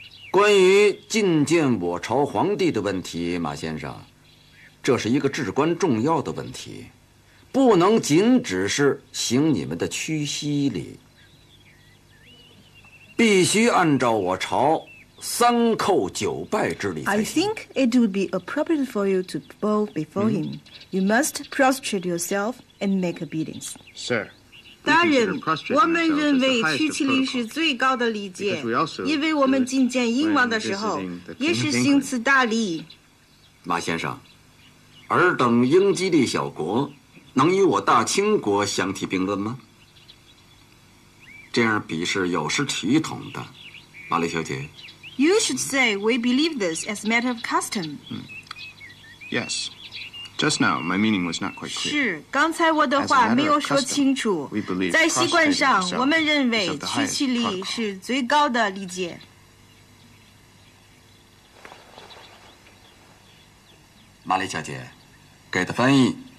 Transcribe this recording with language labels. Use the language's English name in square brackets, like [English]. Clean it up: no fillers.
[Chinese] 关于觐见我朝皇帝的问题，马先生，这是一个至关重要的问题，不能仅只是行你们的屈膝礼，必须按照我朝。三叩九拜之礼。 [English] I think it would be appropriate for you to bow before him. You must prostrate yourself and make obedience. Sir, [Chinese] 大人，我们认为屈膝礼是最高的礼节，因为我们觐见英王的时候也是行此大礼。马先生，尔等英吉利小国能与我大清国相提并论吗？这样比试有失体统的，玛丽小姐。 [English] You should say we believe this as a matter of custom. Yes. Just now, my meaning was not quite clear. [Chinese] 是，刚才我的话没有说清楚。 [English] We believe [Chinese] 在习惯上，我们认为屈膝礼是最高的礼节。玛丽小姐，给的翻译。